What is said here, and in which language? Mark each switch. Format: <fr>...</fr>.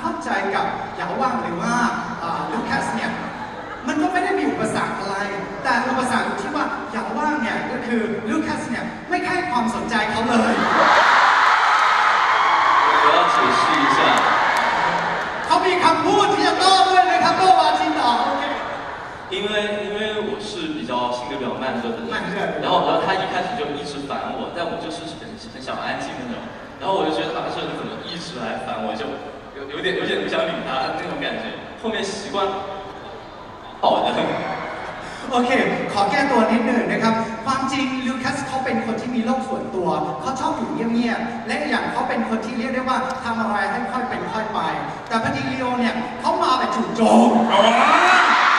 <th>ใจกับยาว่างหรือว่าลูคัสเนี่ยมันก็ไม่ได้มีอุปสรรคอะไรแต่อุปสรรคที่ว่ายาว่างเนี่ยก็คือลูคัสเนี่ยไม่ให้ความสนใจเขาเลย ขอชี้แจง เขามีคำพูดที่จะโต้ด้วยนะครับโต้มาจริงเหร</th> <zh>อ因为我是比较性格比较慢热的人然后他一开始就一直烦我但我就是很想安静那种然后我就觉得他这怎么一直来烦我就有点不想理他那种感觉后面习惯好的</zh> <th>OK ขอแก้ตัวนิดหนึ่งนะครับความจริงลูคัสเขาเป็นคนที่มีโลกส่วนตัวเขาชอบอยู่เงียบๆและอย่างเขาเป็นคนที่เรียกได้ว่าทำอะไรให้ค่อยเป็นค่อยไปแต่พอดีลีโอเนี่ยเขามาแบบจู่โจม</th>